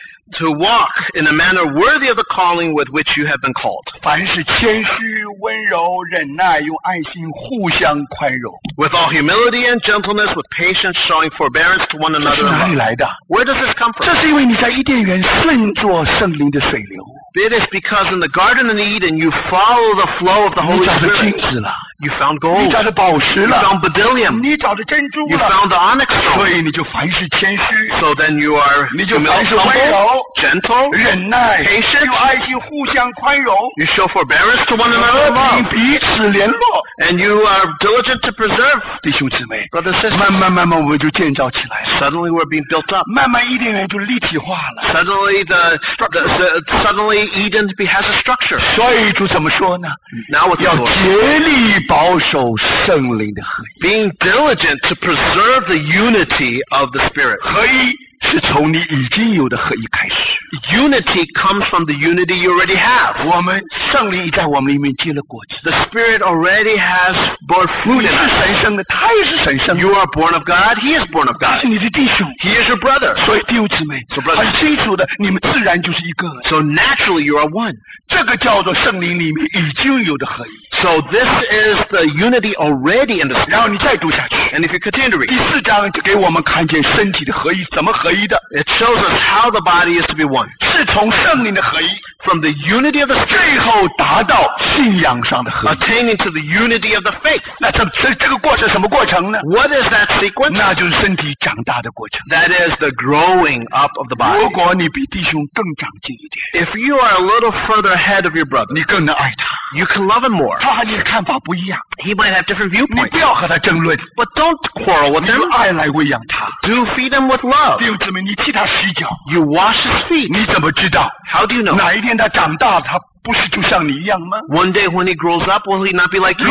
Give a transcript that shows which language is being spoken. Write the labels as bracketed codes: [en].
[en] to walk in a manner worthy of the calling with which you have been called. [zh] 凡是谦虚温柔忍耐用爱心互相宽容, [en] with all humility and gentleness, with patience showing forbearance to one another. [zh] 这是哪里来的? [en] Where does this come from? [zh] 这是因为你在伊甸园顺着圣灵的水流。 [en] It is because in the Garden of Eden you follow the flow of the Holy Spirit. You found gold. You found bdellium. You found the onyx stone. So then you are humble, gentle, [zh] 忍耐, [en] patient. You show forbearance to one another. [zh] 彼此联络, [en] and you are diligent to preserve. [zh] 弟兄姊妹, [en] brothers and sisters, [zh] 慢慢我们就建造起来, [en] suddenly we're being built up. Suddenly Eden has a structure. [zh] 所以主怎么说呢? [en] Now with the Lord. [zh] 要竭力保守圣灵的合一。 [en] Being diligent to preserve the unity of the Spirit. [zh] 合一是从你已经有的合一开始。 [en] Unity comes from the unity you already have. [zh] 我们圣灵已在我们里面结了果子。 [en] The Spirit already has borne fruit in us. [zh] 你是神圣的，他也是神圣的。 [en] You are born of God, he is born of God. [zh] 他是你的弟兄。 [en] He is your brother. [zh] 所以弟兄姊妹, [en] so brothers, [zh] 很清楚的，你们自然就是一个。 [en] So naturally you are one. [zh] 这个叫做圣灵里面已经有的合一。 [en] So this is the unity already in the Spirit. [zh] 然后你再读下去。 [en] And if you continue to read, [zh] 第四章就给我们看见身体的合一，怎么合一的。 [en] It shows us how the body is to be one. [zh] 是从圣灵的合一。 [en] From the unity of the Spirit, [zh] 最后达到信仰上的合一。 [en] Attaining to the unity of the faith. [zh] 那这个过程什么过程呢? [en] What is that sequence? [zh] 那就是身体长大的过程。 [en] That is the growing up of the body. [zh] 如果你比弟兄更长进一点, [en] if you are a little further ahead of your brother, [zh] 你更能爱他。 [en] You can love him more. [zh] 他和你的看法不一样。 [en] He might have different viewpoints. [zh] 你不要和他争论。 [en] But don't quarrel with him. [zh] 你用爱来喂养他。 [en] Do feed him with love. [zh] 弟兄姊妹, 你替他洗脚。 [en] You wash his feet. [zh] 你怎么知道? [en] How do you know? [zh] 哪一天他长大, 他不是就像你一样吗? [en] One day when he grows up, will he not be like you?